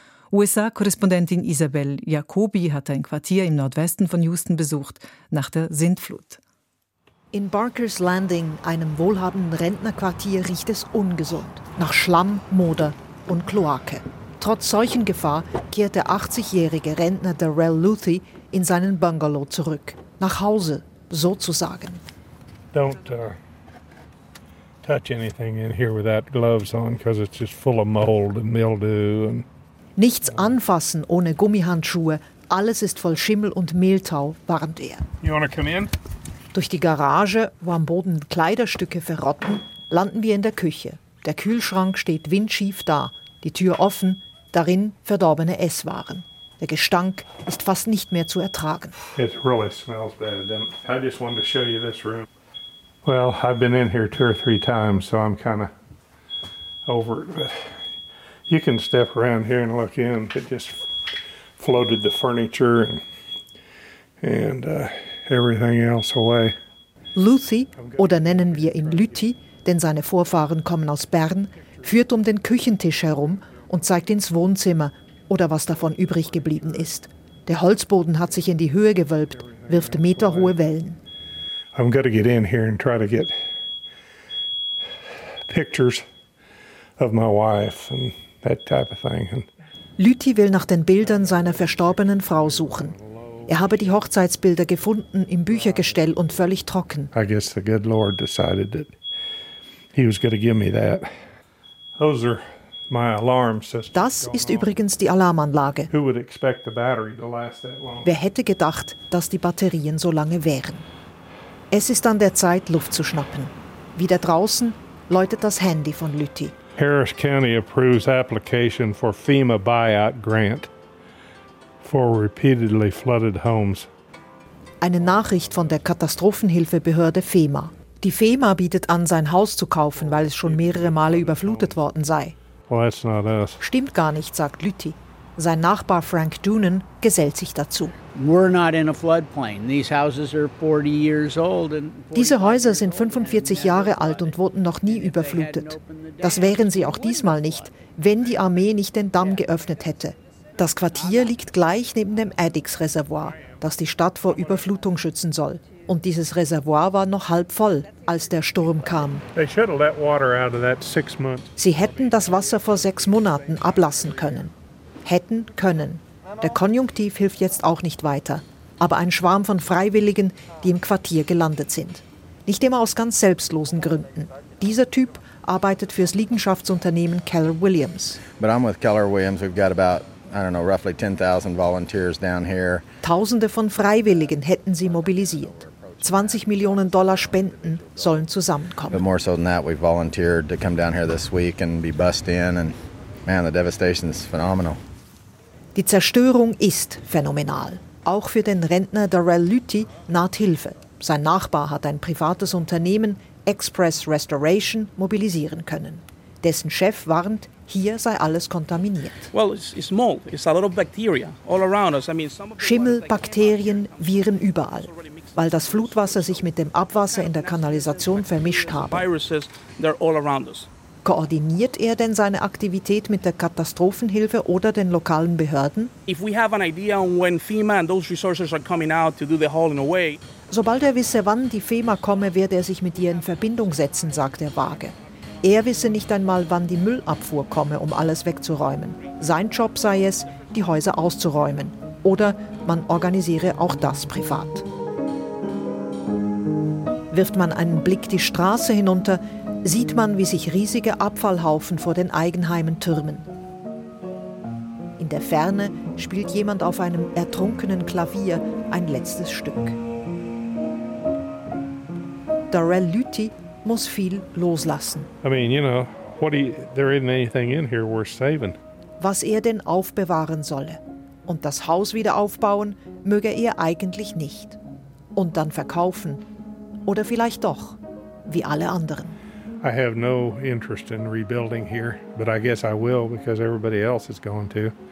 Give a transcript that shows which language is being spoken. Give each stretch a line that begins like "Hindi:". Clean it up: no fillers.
German: USA-Korrespondentin Isabel Jacobi hat ein Quartier im Nordwesten von Houston besucht nach der Sintflut. In Barker's Landing, einem wohlhabenden Rentnerquartier, riecht es ungesund. Nach Schlamm, Moder und Kloake. Trotz Seuchengefahr kehrt der 80-jährige Rentner Darrell Luthi in seinen Bungalow zurück. Nach Hause, sozusagen.
English: Don't touch anything in here with that gloves on, because it's just full of mold and mildew.
German: Nichts anfassen ohne Gummihandschuhe. Alles ist voll Schimmel und Mehltau, warnt er.
English: You wanna come in?
German: Durch die Garage, wo am Boden Kleiderstücke verrotten, landen wir in der Küche. Der Kühlschrank steht windschief da, die Tür offen, darin verdorbene Esswaren. Der Gestank ist fast nicht mehr zu ertragen.
English: It really smells bad. I just wanted to show you this room. Well, I've been in here 2 or 3 times, so I'm kind of over it. But you can step around here and look in. It just floated the furniture and everything else away.
German: Luthi, oder nennen wir ihn Lüthi, denn seine Vorfahren kommen aus Bern, führt um den Küchentisch herum und zeigt ins Wohnzimmer oder was davon übrig geblieben ist. Der Holzboden hat sich in die Höhe gewölbt, wirft meterhohe Wellen.
English: I'm going to get in here and try to get pictures of my wife and that type of thing.
German: Lüthi will nach den Bildern seiner verstorbenen Frau suchen. Er habe die Hochzeitsbilder gefunden im Büchergestell und völlig trocken.
English: I guess the good Lord decided that he was going to give me that. Those are
German: Das ist übrigens die Alarmanlage. Wer hätte gedacht, dass die Batterien so lange wären? Es ist an der Zeit, Luft zu schnappen. Wieder draußen läutet das Handy von Lüthi.
English: Harris County approves application for FEMA buyout grant for repeatedly flooded homes.
German: Eine Nachricht von der Katastrophenhilfebehörde FEMA. Die FEMA bietet an, sein Haus zu kaufen, weil es schon mehrere Male überflutet worden sei.
English: Well, that's not us.
German: Stimmt gar nicht, sagt Lüthi. Sein Nachbar Frank Doonan gesellt sich dazu.
English: We're not in a floodplain. These houses are 40 years old.
German: Diese Häuser sind 45 Jahre alt und wurden noch nie überflutet. Das wären sie auch diesmal nicht, wenn die Armee nicht den Damm geöffnet hätte. Das Quartier liegt gleich neben dem Addix-Reservoir, das die Stadt vor Überflutung schützen soll. Und dieses Reservoir war noch halb voll, als der Sturm kam. Sie hätten das Wasser vor 6 Monaten ablassen können. Hätten können. Der Konjunktiv hilft jetzt auch nicht weiter. Aber ein Schwarm von Freiwilligen, die im Quartier gelandet sind. Nicht immer aus ganz selbstlosen Gründen. Dieser Typ arbeitet fürs Liegenschaftsunternehmen Keller Williams.
English: But I'm with Keller Williams. We've got about, I don't know, roughly 10,000 volunteers down here.
German: Tausende von Freiwilligen hätten sie mobilisiert. 20 Millionen Dollar Spenden sollen zusammenkommen.
English: But more so than that, we've volunteered to come down here this week and be bussed in. And man, the devastation is phenomenal.
German: Die Zerstörung ist phänomenal. Auch für den Rentner Darrell Lüthi naht Hilfe. Sein Nachbar hat ein privates Unternehmen, Express Restoration, mobilisieren können. Dessen Chef warnt, hier sei alles kontaminiert.
English: Well, it's mold. It's a lot of bacteria all around us. I mean,
German: Schimmel, Bakterien, Viren überall, weil das Flutwasser sich mit dem Abwasser in der Kanalisation vermischt habe.
English: Viruses, they're all around us.
German: Koordiniert er denn seine Aktivität mit der Katastrophenhilfe oder den lokalen Behörden?
English: If we have an idea on when FEMA and those resources are coming out to do the hauling away.
German: Sobald er wisse, wann die FEMA komme, werde er sich mit ihr in Verbindung setzen, sagt er vage. Er wisse nicht einmal, wann die Müllabfuhr komme, um alles wegzuräumen. Sein Job sei es, die Häuser auszuräumen. Oder man organisiere auch das privat. Wirft man einen Blick die Straße hinunter, sieht man, wie sich riesige Abfallhaufen vor den Eigenheimen türmen. In der Ferne spielt jemand auf einem ertrunkenen Klavier ein letztes Stück. Darrell Lüthi muss viel loslassen.
English: I mean, you know, there isn't anything in here worth saving.
German: Was er denn aufbewahren solle und das Haus wieder aufbauen, möge er eigentlich nicht. Und dann verkaufen. Oder vielleicht doch, wie alle anderen.
English: I have no interest in rebuilding here, but I guess I will because everybody else is going to.